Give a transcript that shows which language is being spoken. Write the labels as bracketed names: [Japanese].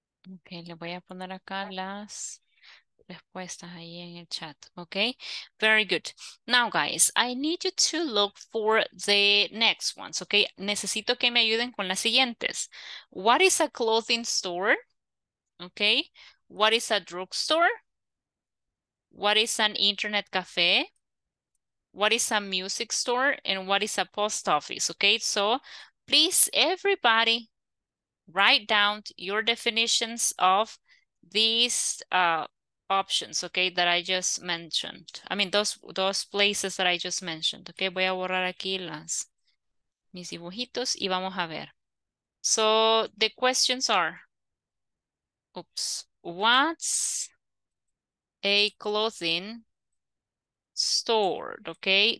[Spanish] Ok, le voy a poner acá las respuestas ahí en el chat. [English] Ok, very good. Now, guys, I need you to look for the next ones. [Spanish] Ok, necesito que me ayuden con las siguientes. [English] What is a clothing store? Ok, what is a drugstore? What is an internet cafe? What is a music store? And what is a post office? Ok, so please, everybody, write down your definitions of these options, okay, that I just mentioned. I mean, those places that I just mentioned, okay? [Spanish] Voy a borrar aquí mis dibujitos y vamos a ver. [English] So the questions are, oops, what's a clothing store, okay?